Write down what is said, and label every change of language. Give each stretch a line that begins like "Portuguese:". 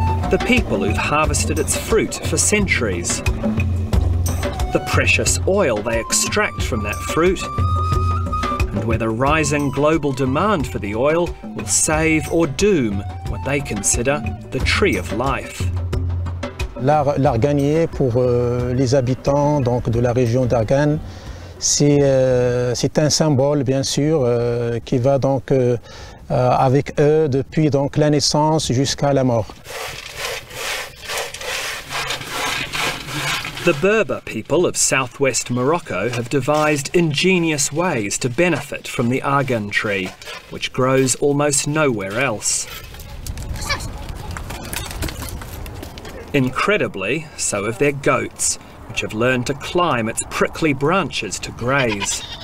English: The people who've harvested its fruit for centuries. The precious oil they extract from that fruit. And where the rising global demand for the oil will save or doom what they consider the tree of life.
French: L'arganier pour les habitants donc de la région d'Argan, c'est un symbole bien sûr qui va donc avec eux depuis donc la naissance jusqu'à la mort.
English: The Berber people of South-West Morocco have devised ingenious ways to benefit from the argan tree, which grows almost nowhere else. Incredibly, so have their goats, which have learned to climb its prickly branches to graze.